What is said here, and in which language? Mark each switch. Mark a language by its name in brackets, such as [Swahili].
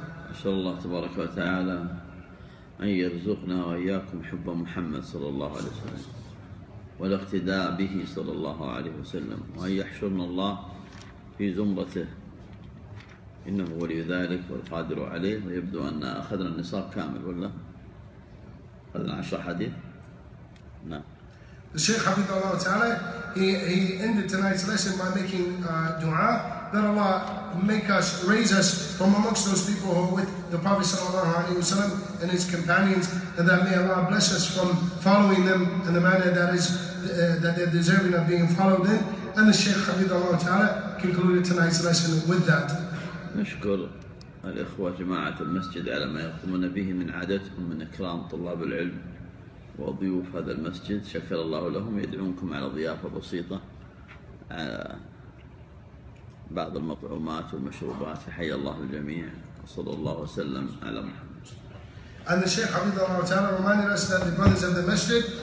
[Arabic] Inshallah tabaraka wa ta'ala an yarzuqna wa iyyakum hubba Muhammad sallallahu alaihi wasallam wal iqtida bihi sallallahu alaihi wasallam wa an yahshurna Allah في زمرته، إنه ولي ذلك والقادر عليه. ويبدو أن أخذنا النصاب كامل ولا أخذنا 10 حديث. نعم. الشيخ حفظه الله تعالى [English] he ended tonight's lesson by making dua that Allah make us, raise us from amongst those people who are with the Prophet sallallahu alaihi wasallam and his companions, and that may Allah bless us from following them in the manner that is that they're deserving of being followed in. And the Shaykh Hafidh Allah Ta'ala concluded tonight's lesson with that. [Arabic] نشكر الإخوة جماعة المسجد على ما يقومون به من عادتهم من إكرام طلاب العلم وضيوف هذا المسجد، شكر الله لهم. يدعونكم على ضيافة بسيطة بعض المطعومات والمشروبات. حي الله الجميع، صلى الله وسلم على محمد. [English] And the Sheikh Hafidhahullah Ta'ala reminded us that the brothers of the masjid,